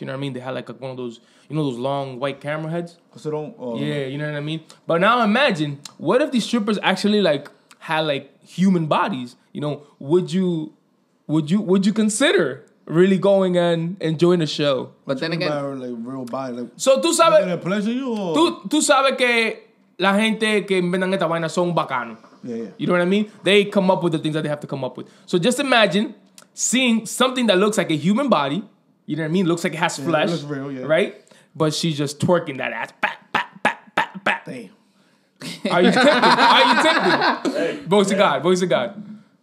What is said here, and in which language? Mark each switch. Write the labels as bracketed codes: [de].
[en] You know what I mean? They had like one of those, you know, those long white camera heads. So don't, You know what I mean? But now imagine, what if these strippers actually like had like human bodies? You know, would you consider really going and enjoying the show? But then again, like real body. Like, [es] so tú sabes, [en] did it pleasure you or? [es] Tú sabes que la gente que inventan esta vaina son bacanos. [en] Yeah. You know what I mean? They come up with the things that they have to come up with. So just imagine seeing something that looks like a human body. You know what I mean? Looks like it has flesh. It looks real, yeah. Right? But she's just twerking that ass. Bat, bat, bat, bat, bat. Damn. Are you tempted? Are you tempted? Hey, voice of God. Voice of God.